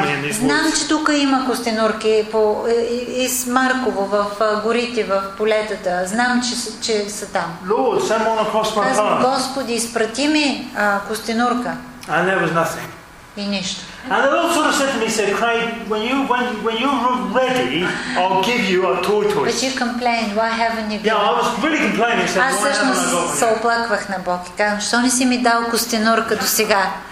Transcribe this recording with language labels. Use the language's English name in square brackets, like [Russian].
[Bulgarian] Знам, че тук има костенурки и с Марково в горите, в полетата. Знам, че са там. Аз, Господи, изпрати ми костенурка. [English] And there was nothing. [Bulgarian] И нищо. [English] And the Lord sort of said to me, said, "Craig, when you're ready, I'll give you a tortoise." But you complained. Why haven't you? Yeah, I was really complaining. Said, [Bulgarian] аз всъщност се оплаквах на Бог и казвам, "Що не си ми дал костенурка до сега?"